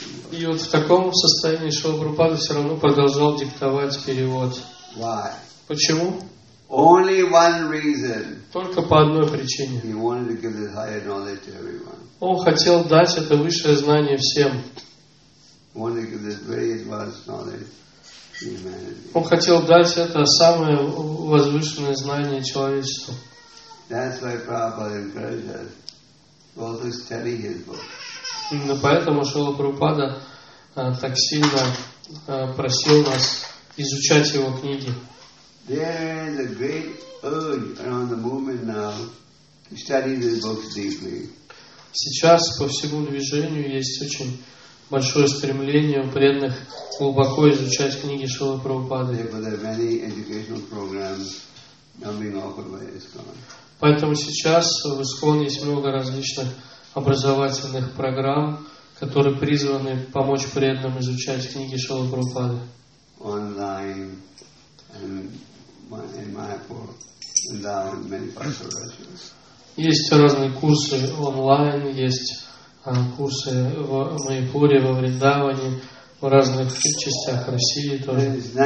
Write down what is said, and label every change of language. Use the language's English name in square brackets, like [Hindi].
[Russian] И вот в таком состоянии Шрила Прабхупада все равно продолжал диктовать перевод. [English] Why? [Russian] Почему? [English] Only one reason. [Russian] Только по одной причине. [English] He wanted to give the higher knowledge to everyone. [Russian] Он хотел дать это высшее знание всем. [English] He wanted to give this very advanced knowledge to humanity. [Russian] Он хотел дать это самое возвышенное знание человечеству. [English] That's why Prabhupada encouraged us to also study his book. [Russian] Именно поэтому Шрила Прабхупада так сильно просил нас изучать его книги. [English] There is a great urge around the movement now to study these books deeply. [Russian] Сейчас по всему движению есть очень большое стремление у преданных глубоко изучать книги Шрилы Прабхупады. [English] There are many educational programs now being offered by ISKCON. [Russian] Поэтому сейчас в ISKCON есть много различных образовательных программ, которые призваны помочь преданным изучать книги Шрилы Прабхупады. [English] Online and in Mayapur and now in many parts of Russia. [Russian] Есть разные курсы онлайн, есть курсы в Майпуре, во Вриндаване, в разных частях России тоже.